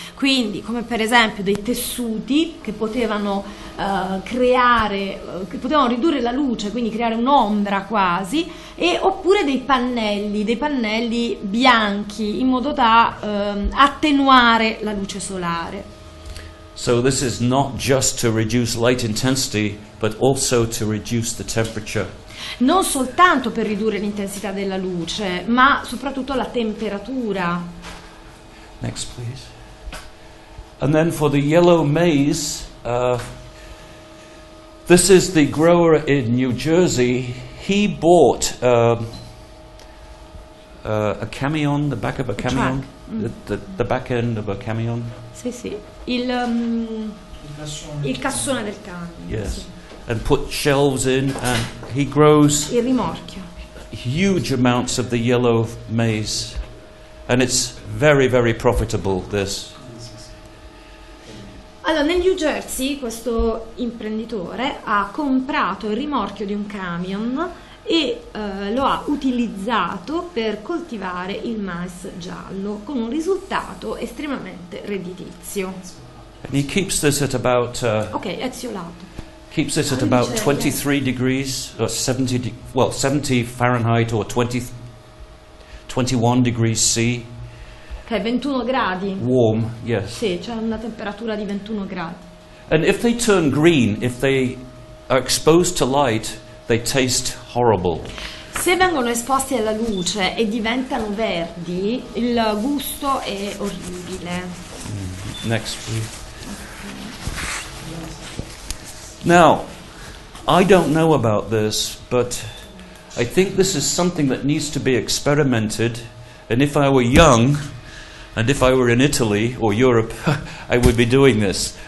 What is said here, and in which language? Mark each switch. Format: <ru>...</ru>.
<it>Quindi, come per esempio dei tessuti che potevano ridurre la luce, quindi creare un'ombra quasi, e oppure dei pannelli bianchi in modo da attenuare la luce solare.</it> <en>So this is not just to reduce light intensity, but also to reduce the temperature.</en> <it>Non soltanto per ridurre l'intensità della luce, ma soprattutto la temperatura.</it> <en>Next, please. And then for the yellow maize, this is the grower in New Jersey. He bought a camion, the back of a camion, the back end of a camion.</en> <it>Sì, sì, il cassone del camion.</it> <en>Yes,</en> <it>sì.</it> <en>And put shelves in, and he grows</en> <it>il rimorchio.</it> <en>Huge amounts of the yellow maize, and it's very, very profitable. This.</en> <it>Allora, nel New Jersey questo imprenditore ha comprato il rimorchio di un camion e lo ha utilizzato per coltivare il mais giallo, con un risultato estremamente redditizio.</it> <en>And he keeps this at about</en> <it>Eziolato.</it> <en>Keeps this at about 23 degrees or 70 Fahrenheit or 21 degrees C.</en> <it>Okay, 21 gradi.</it> <en>Warm, yes.</en> <it>Sì, c'è una temperatura di 21 gradi.</it> <en>And if they turn green, if they are exposed to light, they taste horrible.</en> <it>Se vengono esposti alla luce e diventano verdi, il gusto è orribile.</it> <en>Next, please. Now, I don't know about this, but I think this is something that needs to be experimented. And if I were young, and if I were in Italy or Europe, I would be doing this.</en>